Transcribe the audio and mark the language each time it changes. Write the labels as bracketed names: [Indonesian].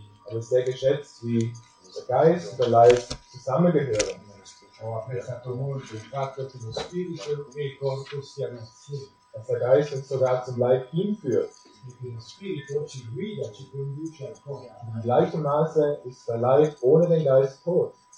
[German] È sehr geschätzt, wie der Geist und der Leib zusammengehören. [Italian] Ho apprezzato molto il fatto che lo spirito e il corpo siano insieme. [German] Dass der Geist uns sogar zum Leib hinführt. In gleichem Maße ist der Leib ohne den Geist tot.